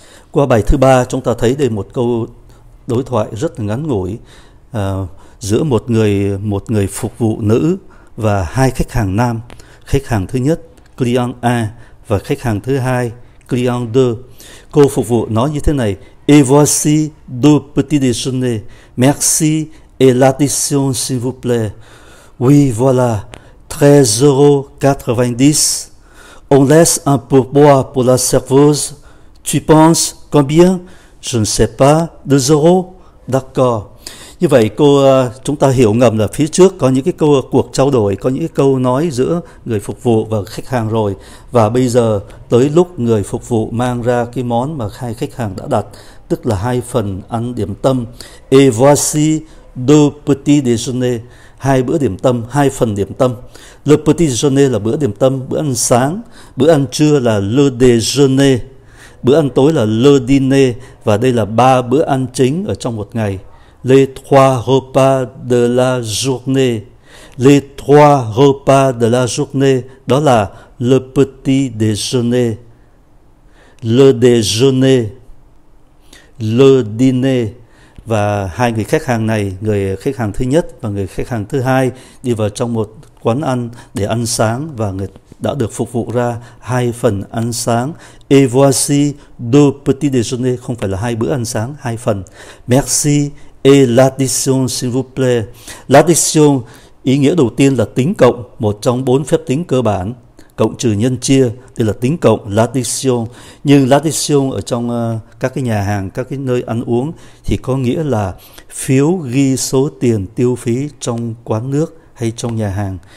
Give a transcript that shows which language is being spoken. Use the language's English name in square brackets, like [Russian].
[Vietnamese] Qua bài thứ ba, chúng ta thấy đây một câu đối thoại rất là ngắn ngủi giữa một người phục vụ nữ và hai khách hàng nam. Khách hàng thứ nhất, client A, và khách hàng thứ hai, client 2. Cô phục vụ nói như thế này: [French] Et voici deux petits déjeuners. Merci et l'addition, s'il vous plaît. Oui, voilà, 13,90 €. On laisse un pourboire pour la serveuse. Tu penses combien? Je ne sais pas, 2 €. D'accord. [Vietnamese] Như vậy, chúng ta hiểu ngầm là phía trước có những cái câu cuộc trao đổi, có những cái câu nói giữa người phục vụ và khách hàng rồi. Và bây giờ, tới lúc người phục vụ mang ra cái món mà hai khách hàng đã đặt, tức là hai phần ăn điểm tâm. Et voici deux petits déjeuners. Hai bữa điểm tâm, hai phần điểm tâm. Le petit déjeuner là bữa điểm tâm, bữa ăn sáng. Bữa ăn trưa là le déjeuner. Bữa ăn tối là le dîner. Và đây là ba bữa ăn chính ở trong một ngày. [French] Les trois repas de la journée. Les trois repas de la journée. [Vietnamese] Đó là [French] le petit déjeuner. Le déjeuner. Le dîner. [Vietnamese] Và hai người khách hàng này, người khách hàng thứ nhất và người khách hàng thứ hai, đi vào trong một quán ăn để ăn sáng và người đã được phục vụ ra hai phần ăn sáng. Et voici deux petits déjeuners, không phải là hai bữa ăn sáng, hai phần. [French] Merci et l'addition, s'il vous plaît. [Vietnamese] L'addition, ý nghĩa đầu tiên là tính cộng, một trong bốn phép tính cơ bản. Cộng trừ nhân chia, đây là tính cộng, l'addition. Nhưng l'addition ở trong các cái nhà hàng, các cái nơi ăn uống thì có nghĩa là phiếu ghi số tiền tiêu phí trong quán nước hay trong nhà hàng.